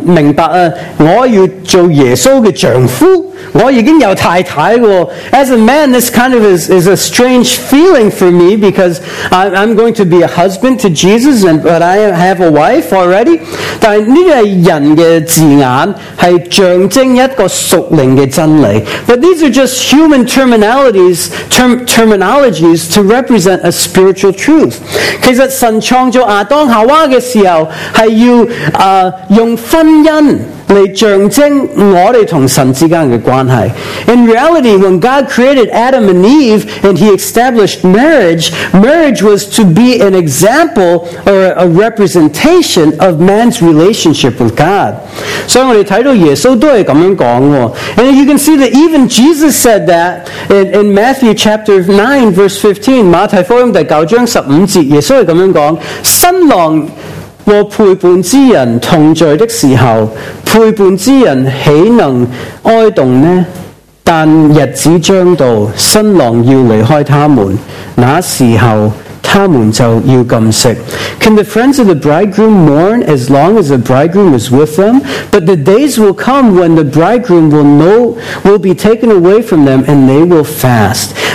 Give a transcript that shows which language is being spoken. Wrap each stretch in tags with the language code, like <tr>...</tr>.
<zh>所以這是一個很奇妙的真理。我身為男人,我覺得有時很難明白,我要做耶穌的丈夫。</zh> <en>As a man, this kind of is a strange feeling for me, because I'm going to be a husband to Jesus, and but I have a wife already.</en> <zh>但这个人的字眼是象征一个属灵的真理.</zh> <en>But these are just human terminologies to represent a spiritual truth.</en> <zh>其实神创造亚当夏娃的时候是要用婚姻 来象征我们与神之间的关系.</zh> <en>In reality, when God created Adam and Eve and He established marriage, marriage was to be an example or a representation of man's relationship with God.</en> <zh>所以我们看到耶稣都是这样说的.</zh> <en>And you can see that even Jesus said that in Matthew chapter 9, verse 15,</en> <zh>马太福音第9章15节,耶稣是这样说, 新郎和陪伴之人同在的时候,陪伴之人岂能哀动呢?但日子将到,新郎要离开他们,那时候他们就要禁食.</zh> <en>Can the friends of the bridegroom mourn as long as the bridegroom is with them? But the days will come when the bridegroom will be taken away from them, and they will fast.</en>